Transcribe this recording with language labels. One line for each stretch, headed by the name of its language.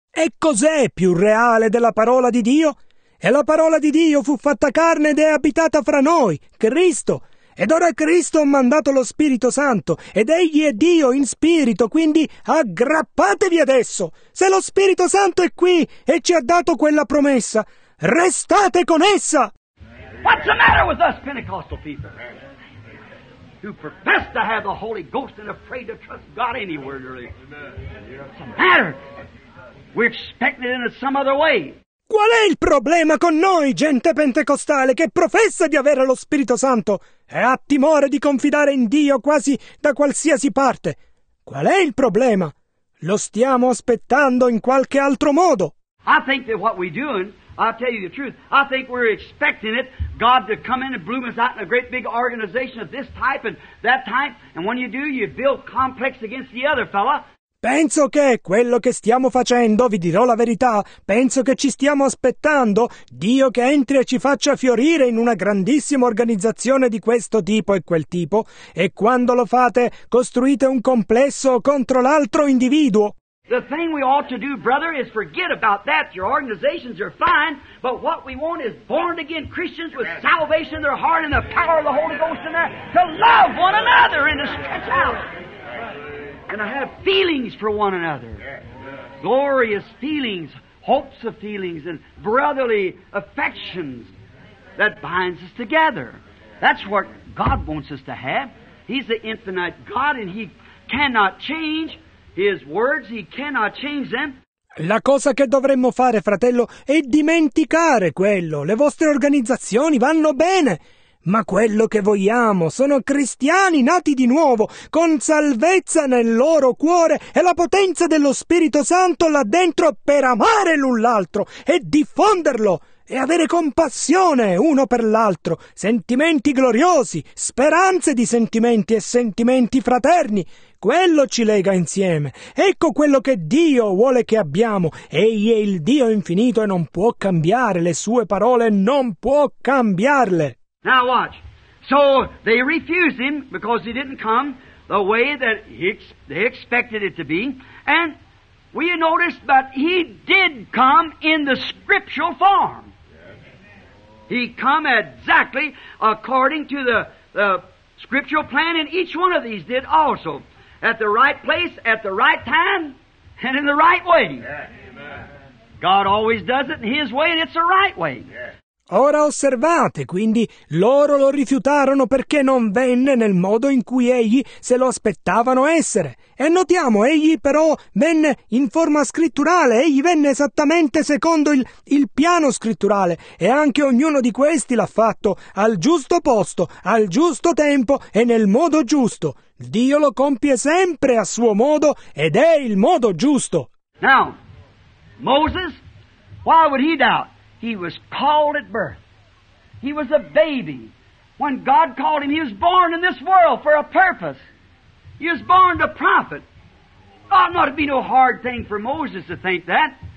Italian: E cos'è più reale della parola di Dio? E la parola di Dio fu fatta carne ed è abitata fra noi, Cristo. Ed ora Cristo ha mandato lo Spirito Santo, ed Egli è Dio in spirito, quindi aggrappatevi adesso. Se lo Spirito Santo è qui e ci ha dato quella promessa, restate con essa.
English: What's the matter with us Pentecostal people who profess to have the Holy Ghost and afraid to trust God anywhere? Really? What's the matter? We're expecting it in some other way.
Italian: Qual è il problema con noi, gente pentecostale, che professa di avere lo Spirito Santo e ha timore di confidare in Dio quasi da qualsiasi parte? Qual è il problema? Lo stiamo aspettando in qualche altro modo.
English: I think that what we're doing, I'll tell you the truth, I think we're expecting it, God to come in and bloom us out in a great big organization of this type and that type, and when you do, you build complex against the other fella.
Italian: Penso che quello che stiamo facendo, vi dirò la verità, penso che ci stiamo aspettando Dio che entri e ci faccia fiorire in una grandissima organizzazione di questo tipo e quel tipo, e quando lo fate costruite un complesso contro l'altro individuo.
English: The thing we ought to do, brother, is forget about that. Your organizations are fine, but what we want is born again Christians with salvation in their heart and the power of the Holy Ghost in there to love one another and to stretch out. And I have feelings for one another. Glorious feelings, hopes of feelings, and brotherly affections that binds us together. That's what God wants us to have. He's the infinite God, and He cannot change His words. He cannot change them.
Italian: La cosa che dovremmo fare, fratello, è dimenticare quello. Le vostre organizzazioni vanno bene. ma quello che vogliamo sono cristiani nati di nuovo, con salvezza nel loro cuore e la potenza dello Spirito Santo là dentro per amare l'un l'altro e diffonderlo e avere compassione uno per l'altro, sentimenti gloriosi, speranze di sentimenti e sentimenti fraterni. Quello ci lega insieme. Ecco quello che Dio vuole che abbiamo. Egli è il Dio infinito e non può cambiare le sue parole, non può cambiarle.
English: Now watch. So they refused him because he didn't come the way that they expected it to be. And we noticed that he did come in the scriptural form. He come exactly according to the scriptural plan, and each one of these did also. At the right place, at the right time, and in the right way. Yeah. God always does it in His way, and it's the right way. Yeah.
Italian: Ora osservate, quindi, loro lo rifiutarono perché non venne nel modo in cui egli se lo aspettavano essere. E notiamo, egli però venne in forma scritturale, egli venne esattamente secondo il piano scritturale, e anche ognuno di questi l'ha fatto al giusto posto, al giusto tempo e nel modo giusto. Dio lo compie sempre a suo modo ed è il modo giusto.
English: Now, Moses, why would he doubt? He was called at birth. He was a baby. When God called him, he was born in this world for a purpose. He was born to prophet. Ought not to be no hard thing for Moses to think that.